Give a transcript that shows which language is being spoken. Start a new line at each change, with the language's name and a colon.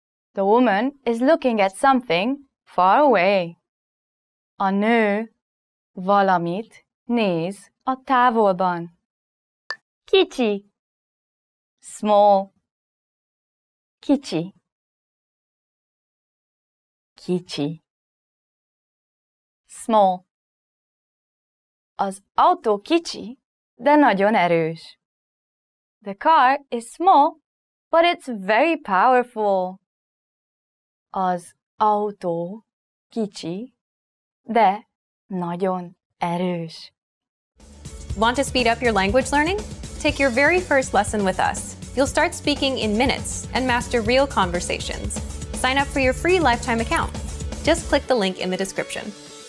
English: The woman is looking at something far away.
Hungarian: A nő valamit néz a távolban. Kicsi.
English: Small.
Hungarian: Kicsi. Kicsi. Small. Az autó kicsi, de nagyon erős.
English: The car is small, but it's very powerful.
Hungarian: Az autó kicsi, de nagyon erős.
English: Want to speed up your language learning? Take your very first lesson with us. You'll start speaking in minutes and master real conversations. Sign up for your free lifetime account. Just click the link in the description.